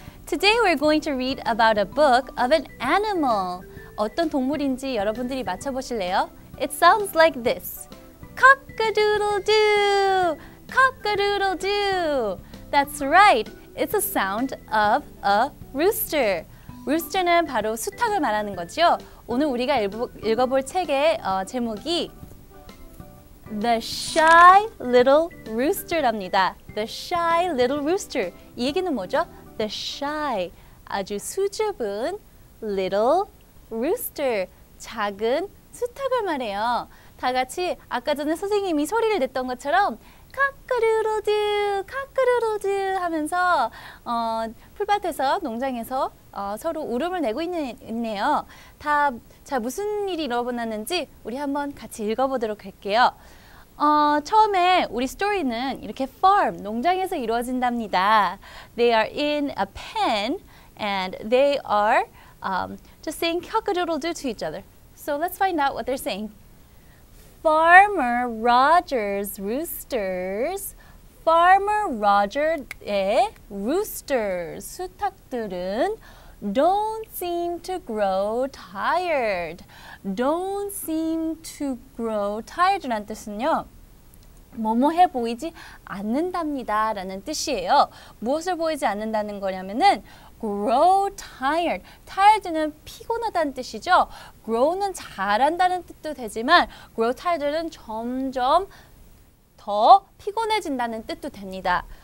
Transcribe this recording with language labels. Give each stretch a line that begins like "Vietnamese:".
English: Today we're going to read about a book of an animal.
Korean: 어떤 동물인지 여러분들이 맞춰보실래요?
English: It sounds like this. Cock-a-doodle-doo! Cock-a-doodle-doo! That's right. It's a sound of a rooster.
Korean: Rooster는 바로 수탉을 말하는 거죠. 오늘 우리가 읽어볼 책의 제목이 The Shy Little Rooster랍니다.
English: The Shy Little Rooster.
Korean: 이 얘기는 뭐죠?
English: The Shy.
Korean: 아주 수줍은 Little Rooster. 작은 수탉을 말해요. 다 같이 아까 전에 선생님이 소리를 냈던 것처럼 카카루루두, 카카루루두 하면서 풀밭에서, 농장에서 서로 울음을 내고 있네요. 다 자, 무슨 일이 일어났는지 우리 한번 같이 읽어보도록 할게요. 처음에 우리 스토리는 이렇게 farm, 농장에서 이루어진답니다.
English: They are in a pen and they are just saying cock-a-doodle-doo to each other. So let's find out what they're saying. Farmer Rogers' roosters. Farmer Roger의 roosters,
Korean: 수탉들은
English: don't seem to grow tired. Don't seem to grow tired라는 뜻은요.
Korean: 뭐뭐해 보이지 않는답니다 라는 뜻이에요. 무엇을 보이지 않는다는 거냐면은 grow tired. tired는 피곤하다는 뜻이죠. grow는 자란다는 뜻도 되지만 grow tired는 점점 더 피곤해진다는 뜻도 됩니다.